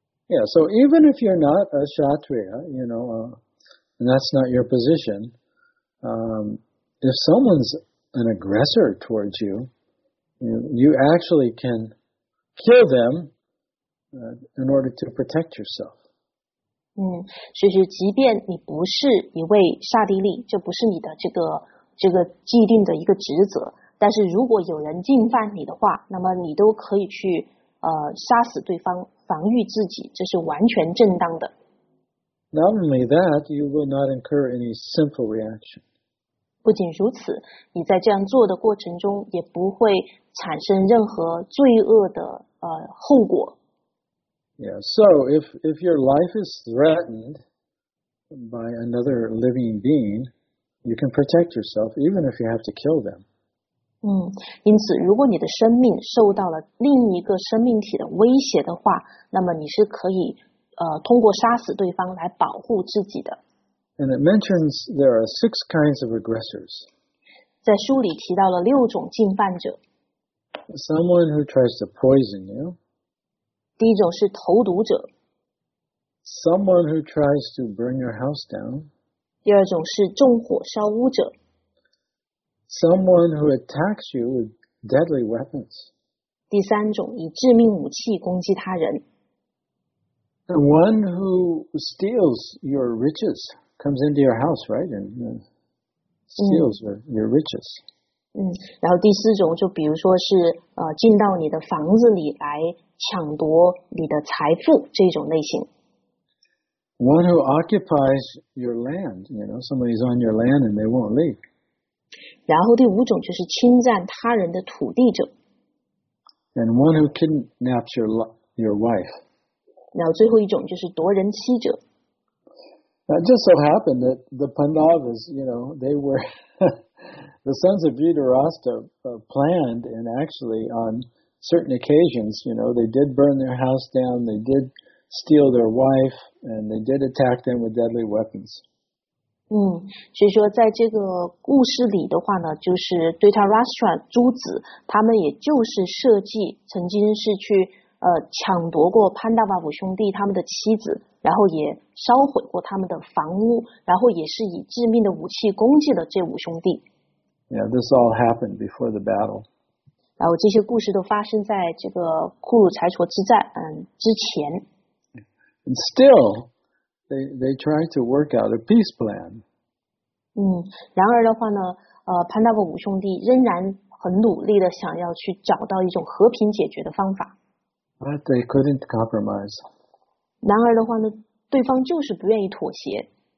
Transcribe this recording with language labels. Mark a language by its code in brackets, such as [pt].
[en] Yeah, so even if you're not a Kshatriya, you know, and that's not your position, if someone's an aggressor towards you, you actually can kill them. In order to protect yourself. [zh] 所以即便你不是一位刹帝利，这不是你的这个既定的一个职责，但是如果有人侵犯你的话，那么你都可以去杀死对方，防御自己，这是完全正当的。 [en] Not only that, you will not incur any sinful reaction. [zh] 不仅如此，你在这样做的过程中也不会产生任何罪恶的后果。 [en] Yeah, so if your life is threatened by another living being, you can protect yourself even if you have to kill them. [zh] 因此如果你的生命受到了另一个生命体的威胁的话，那么你是可以通过杀死对方来保护自己的。 [en] And it mentions there are six kinds of aggressors. [zh] 在书里提到了六种侵犯者。 [en] Someone who tries to poison you. [zh] 第一种是投毒者。 [en] Someone who tries to burn your house down. [zh] 第二种是纵火烧屋者。 [en] Someone who attacks you with deadly weapons. [zh] 第三种以致命武器攻击他人。 [en] The one who steals your riches comes into your house, right? And steals your riches. [zh] 然后第四种就比如说是进到你的房子里来抢夺你的财富这种类型。 [en] One who occupies your land, you know, somebody's on your land and they won't leave. [zh] 然后第五种就是侵占他人的土地者。 [en] And one who kidnaps your wife. [zh] 然后最后一种就是夺人妻者。 [en] That just so happened that the Pandavas, you know, they were the sons of Dhritarashtra planned and actually on. Certain occasions, you know, they did burn their house down, they did steal their wife, and they did attack them with deadly weapons. [zh] 所以说在这个故事里的话呢，就是对他 Rashtra 诸子，他们也就是设计曾经是去抢夺过潘大巴五兄弟他们的妻子，然后也烧毁过他们的房屋，然后也是以致命的武器攻击了这五兄弟。 [en] Yeah, this all happened before the battle. [zh] 然后这些故事都发生在这个库鲁柴卓之战之前。 [en] And still, they try to work out a peace plan. [zh] 然而的话呢，潘大伯五兄弟仍然很努力的想要去找到一种和平解决的方法。 [en] But they couldn't compromise. [zh] 然而的话呢，对方就是不愿意妥协。